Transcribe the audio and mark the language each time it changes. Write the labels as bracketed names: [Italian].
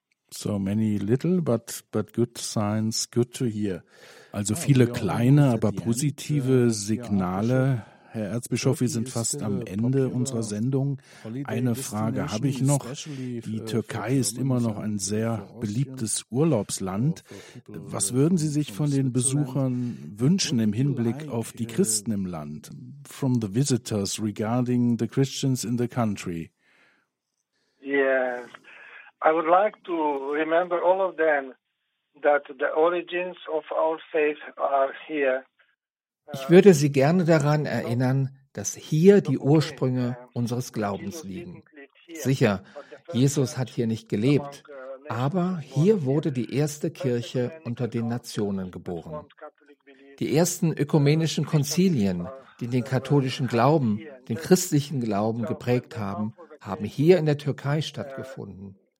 [English] So many little but good signs, good to hear. [German] Also viele kleine, aber positive Signale. Herr Erzbischof, wir sind fast am Ende unserer Sendung. Eine Frage habe ich noch. Die Türkei ist immer noch ein sehr beliebtes Urlaubsland. Was würden Sie sich von den Besuchern wünschen im Hinblick auf die Christen im Land? [English] From the visitors regarding the Christians in the country. Yes. I would like to remember all of them that the origins of our faith are here. [German] Ich würde Sie gerne daran erinnern, dass hier die Ursprünge unseres Glaubens liegen. Sicher, Jesus hat hier nicht gelebt, aber hier wurde die erste Kirche unter den Nationen geboren. Die ersten ökumenischen Konzilien, die den katholischen Glauben, den christlichen Glauben geprägt haben, haben hier in der Türkei stattgefunden.